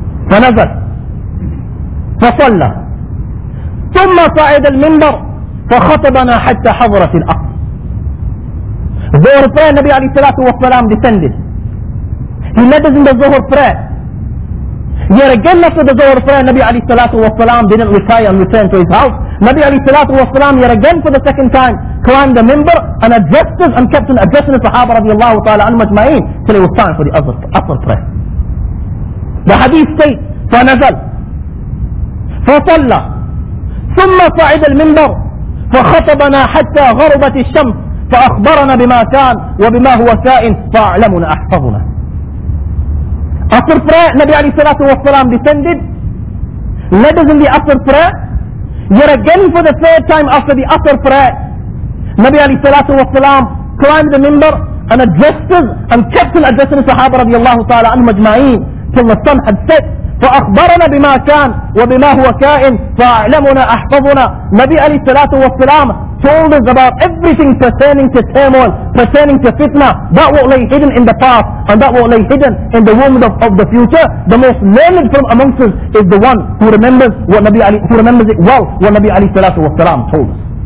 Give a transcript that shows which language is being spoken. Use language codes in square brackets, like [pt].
[ar] فنزل فصلى ثم صعد المنبر فخطبنا حتى حضرت الأقصى. [en] Zuhr prayer, Nabi alayhi salatu wa salam descended. He led us in the Zuhr prayer. Yet again after the Zuhr prayer, Nabi alayhi salatu wa salam didn't retire and return to his house. Nabi alayhi salatu wa salam yet again for the second time climbed the minbar and addressed us and kept on addressing the Sahaba radiallahu ta'ala anhu majma'een till it was time for the Asr prayer. The hadith say, [ar] فنزل فصلى ثم صعد المنبر فخطبنا حتى غربت الشمس فأخبرنا بما كان وبما هو كائن فأعلمنا أحفظنا. [en] Asr prayer, Nabi alayhi salatu wa salam descended, led us in the Asr prayer. Yet again for the third time after the Asr prayer, Nabi alayhi salatu wa salam climbed the minbar and addressed us and kept on addressing the Sahaba radiallahu ta'ala anhu majma'een till the sun had set. [ar] فأخبرنا بما كان وبما هو كائن فأعلمنا أحفظنا. [en] Nabi alayhi salatu wa salam told us about everything pertaining to turmoil, pertaining to fitna, that what lay hidden in the past and that what lay hidden in the womb of the future. The most learned from amongst us is the one who remembers what Nabi Ali, who remembers it well, what Nabi alayhi salatu wa salam told us.